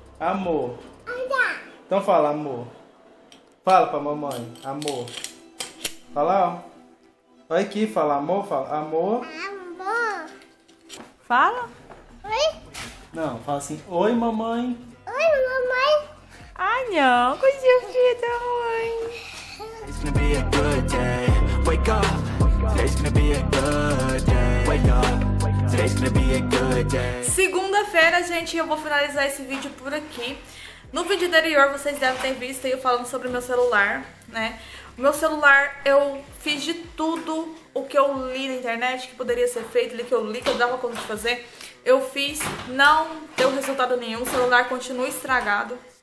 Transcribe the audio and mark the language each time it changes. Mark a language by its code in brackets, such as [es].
[pt] Amor. Então fala, amor. Fala pra mamãe, amor. Fala, ó. Olha aqui, fala amor, fala amor. Amor. Fala. Oi. Não, fala assim, oi mamãe. Oi mamãe. Ai não, coisinha fita, mãe. [en] It's gonna be a good day, wake up. Today's gonna be a good day, wake up. Today's gonna be a good day. [pt] Segunda-feira, gente, eu vou finalizar esse vídeo por aqui. No vídeo anterior, vocês devem ter visto eu falando sobre meu celular, né? O meu celular, eu fiz de tudo o que eu li na internet, que poderia ser feito, ali que eu li, que eu dava conta de fazer. Eu fiz, não deu resultado nenhum, o celular continua estragado.